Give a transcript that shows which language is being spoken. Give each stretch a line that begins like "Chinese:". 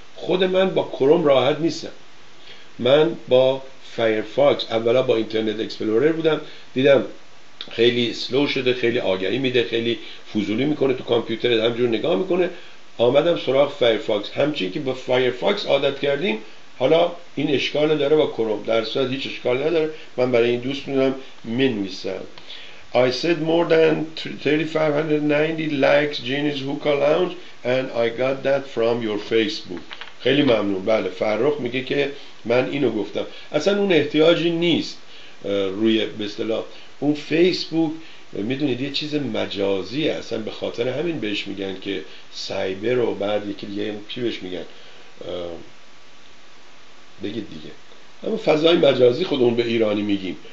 Persian: خود من با کروم راحت نیستم، من با فایرفاکس، اولا با اینترنت اکسپلورر بودم، دیدم خیلی سلو شده، خیلی آگهی میده، خیلی فضولی میکنه تو کامپیوتر، همجور نگاه میکنه، آمدم سراغ فایرفاکس. همچین که با فایرفاکس عادت کردیم، حالا این اشکال داره با کروم، در صورت هیچ اشکال نداره. من برای این دوست میدونم منویسم.
English: I said more than 3590 likes Genius Hookah Lounge and I got that from your Facebook.
Persian: خیلی ممنون. بله فرخ میگه که من اینو گفتم، اصلا اون احتیاجی نیست روی به اصطلاح اون فیسبوک، میدونید یه چیز مجازیه، اصلا به خاطر همین بهش میگن که سایبر، و بعد یکی دیگه چی بهش میگن بگید دیگه، اما فضای مجازی خودمون به ایرانی میگیم.